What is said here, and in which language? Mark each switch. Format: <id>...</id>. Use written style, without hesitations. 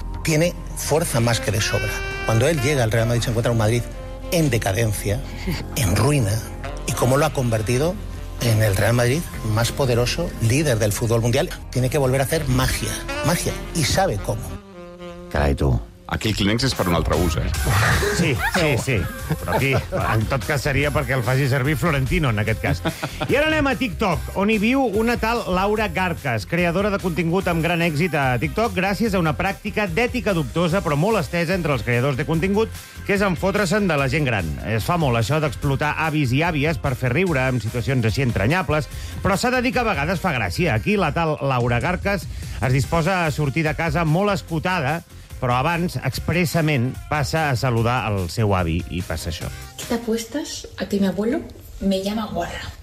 <es>Tiene fuerza más que de sobra. Cuando él llega al Real Madrid, se encuentra un Madrid en decadencia, en ruina, y cómo lo ha convertido en el Real Madrid más poderoso, líder del fútbol mundial. Tiene que volver a hacer magia, magia, y sabe cómo. Caray, tú.</es> <ca>Aquí el Kleenex és per un altre ús, eh? Sí. Però aquí, en tot cas, seria perquè el faci servir Florentino, en aquest cas. I ara anem a TikTok, on hi viu una tal Laura Garcas, creadora de contingut amb gran èxit a TikTok, gràcies a una pràctica d'ètica dubtosa, però molt estesa entre els creadors de contingut, que és enfotre-se'n de la gent gran. Es fa molt això d'explotar avis i àvies per fer riure en situacions així entranyables, però s'ha de dir que a vegades fa gràcia. Aquí la tal Laura Garcas es disposa a sortir de casa molt escotada, però abans, expressament, passa a saludar el seu avi i passa això.</ca> <es>¿Qué te apuestas a que mi abuelo me llama guarra?</es>